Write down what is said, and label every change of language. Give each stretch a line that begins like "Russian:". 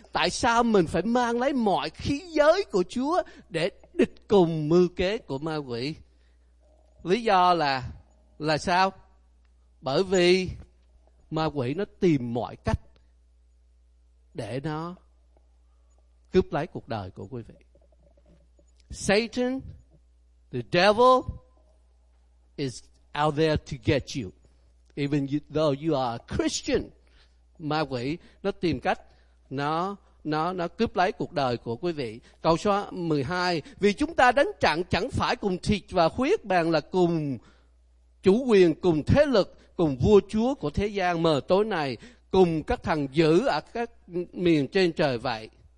Vietnamese: Tại sao mình phải mang lấy mọi khí giới của Chúa để địch cùng mưu kế của ma quỷ? Lý do là sao? Bởi vì ma quỷ nó tìm mọi cách để nó cướp lấy cuộc đời của quý vị.
English: Satan, the devil, is out there to get you.
Vietnamese: Even though you are a Christian, ma quỷ nó tìm cách nó cướp lấy cuộc đời của quý vị. Câu số 12: vì chúng ta đánh trận chẳng phải cùng thịt và huyết, bằng là cùng chủ quyền, cùng thế lực, cùng vua chúa của thế gian mờ tối này, cùng các thần dữ ở các miền trên trời vậy.